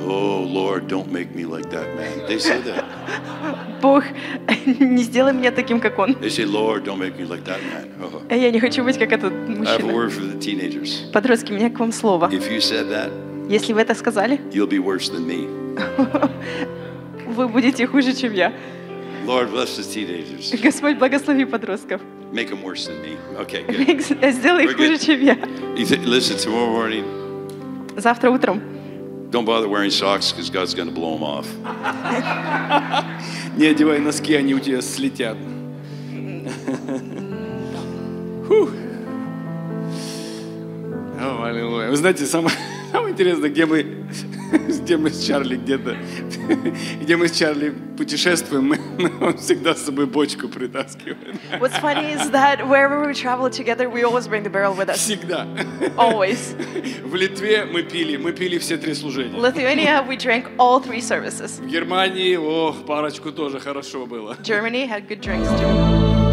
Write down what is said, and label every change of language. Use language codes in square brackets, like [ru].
[en] Oh Lord, don't make me like that man. They say that. [ru] Бог, не сделай меня таким, как он. [en] They say, Lord, don't make me like that man. [ru] Я не хочу быть как этот мужчина. [en] I have a word for the teenagers. [ru] Подростки, у меня к вам слово. [en] If you said that, [ru] если вы это сказали, [en] you'll be worse than me. [ru] Вы будете хуже, чем я. [en] Lord bless the teenagers. [ru] Господь благослови подростков. [en] Make them worse than me. Okay, good. [ru] Сделай их хуже, чем я. [en] Listen, tomorrow morning. [ru] Завтра утром. [en] Don't bother wearing socks, because God's going to blow them off. [ru] Не одевай носки, они у тебя слетят. О, аллилуйя. Вы знаете, самое интересное, где мы с Чарли где-то, где мы с Чарли путешествуем, мы всегда с собой бочку притаскиваем. [en] What's funny is that wherever we travel together, we always bring the barrel with us. [ru] Всегда. [en] Always. [ru] В Литве мы пили все три служения. [en] Lithuania, we drank all three services. [ru] В Германии, ох, парочку тоже хорошо было. [en] Germany had good drinks too.